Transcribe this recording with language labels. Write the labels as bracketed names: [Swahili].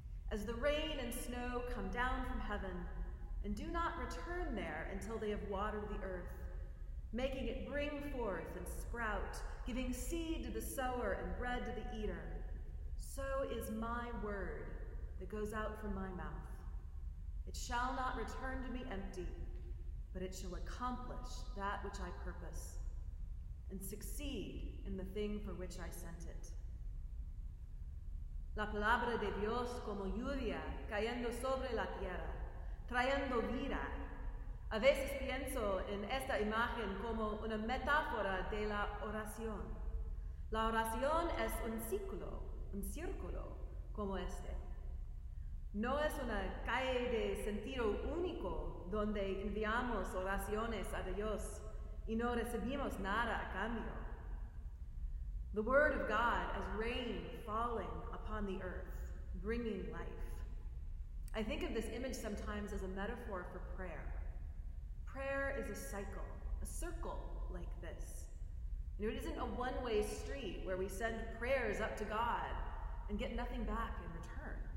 [English] As the rain and snow come down from heaven and do not return there until they have watered the earth, making it bring forth and sprout, giving seed to the sower and bread to the eater, so is my word that goes out from my mouth. It shall not return to me empty, but it shall accomplish that which I purpose and succeed in the thing for which I sent it. [Spanish] La palabra de Dios como lluvia cayendo sobre la tierra, trayendo vida. A veces pienso en esta imagen como una metáfora de la oración. La oración es un círculo como este. No es una calle de sentido único donde enviamos oraciones a Dios y no recibimos nada a cambio. [English] The word of God as rain falling upon the earth, bringing life. I think of this image sometimes as a metaphor for prayer. Prayer is a cycle, a circle like this. You know, it isn't a one-way street where we send prayers up to God and get nothing back in return.